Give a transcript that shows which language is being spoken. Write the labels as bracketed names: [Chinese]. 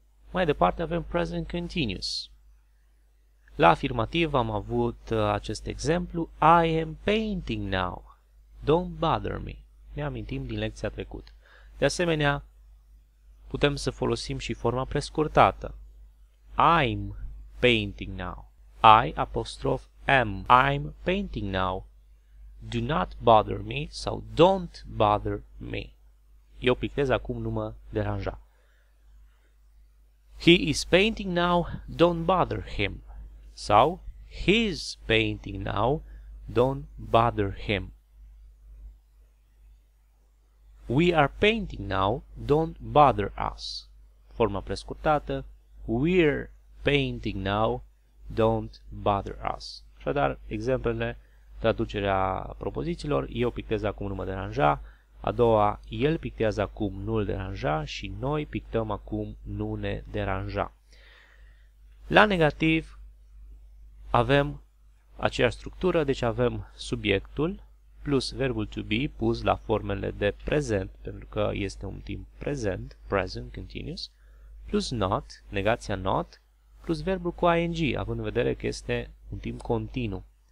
[Romanian] Mai departe avem present continuous. La afirmativ am avut acest exemplu, [English] I am painting now, don't bother me. [Romanian] Ne amintim din lecția trecută. De asemenea, putem să folosim și forma prescurtată, [English] I'm painting now, I apostrof am, I'm painting now. Do not bother me sau don't bother me. [Romanian] Eu pictez acum, nu mă deranja. [English] He is painting now, don't bother him. Sau he's painting now, don't bother him. We are painting now, don't bother us. [Romanian] Forma prescurtată, [English] we're painting now, don't bother us. [Romanian] Așadar, exemplele. Traducerea propozițiilor, eu pictez acum, nu mă deranja. A doua, el pictează acum, nu îl deranja. Și noi pictăm acum, nu ne deranja. La negativ, avem aceeași structură, deci avem subiectul plus verbul to be pus la formele de prezent, pentru că este un timp prezent, present, continuous, plus not, negația not, plus verbul cu ing, având în vedere că este un timp continuu.